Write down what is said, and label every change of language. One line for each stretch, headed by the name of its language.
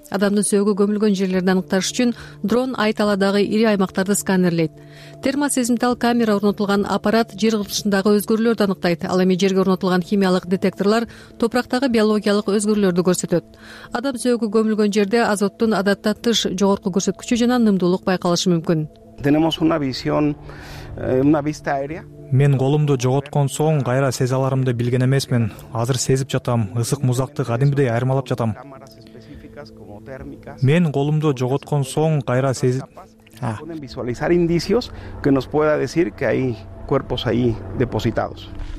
Kyrgyz: Адамдын сөөгү көмүлгөн жерлерди аныкташ үчүн дрон айталадагы ири аймактарды сканерлейт. Термосезимтал камера орнотулган аппарат жер кыртышындагы өзгөрүүлөрдү аныктайт. Ал эми жерге орнотулган химиялык детекторлор топурактагы биологиялык өзгөрүүлөрдү көрсөтөт. Адам сөөгү көмүлгөн жерде азоттун адаттан тыш жогорку көрсөткүчү жана нымдуулук байкалышы мүмкүн.
Spanish: Tenemos una visión, una vista aérea.
Kyrgyz: Мен колумду жоготкон соң кайра сезе аларымды билген эмесмин. Азыр сезип жатам, ысык музакты кадимдей айырмалап жатам. Мен колумду жоготкон соң кайра сезип
Spanish: pueden visualizar indicios que nos pueda decir que hay cuerpos ahí depositados.